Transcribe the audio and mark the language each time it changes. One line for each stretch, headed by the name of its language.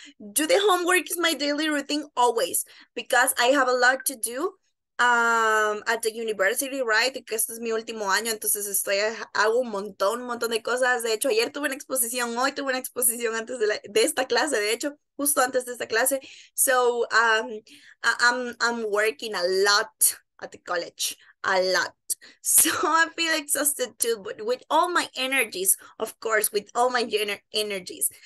English: Do the homework is my daily routine always because I have a lot to do at the university, right?
Spanish: Porque este es mi último año, entonces hago un montón de cosas. De hecho, ayer tuve una exposición, hoy tuve una exposición antes de esta clase, de hecho, justo antes de esta clase.
English: So, I'm working a lot at the college, a lot. So I feel exhausted too, but with all my energies, of course, with all my energies.